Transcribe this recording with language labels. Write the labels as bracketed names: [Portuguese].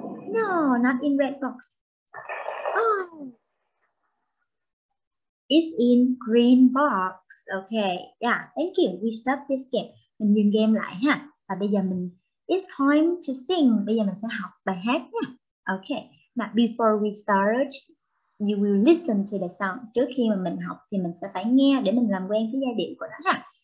[English] No, not in red box. Oh. It's in green box. Okay. Yeah. Thank you. We stop this game. [Vietnamese] Mình dừng game lại ha. Và bây giờ mình, [English] it's time to sing. [Vietnamese] Bây giờ mình sẽ học bài hát nha. [English] Okay. Now, before we start, you will listen to the song. [Vietnamese] Trước khi mà mình học thì mình sẽ phải nghe để mình làm quen cái giai điệu của nó ha.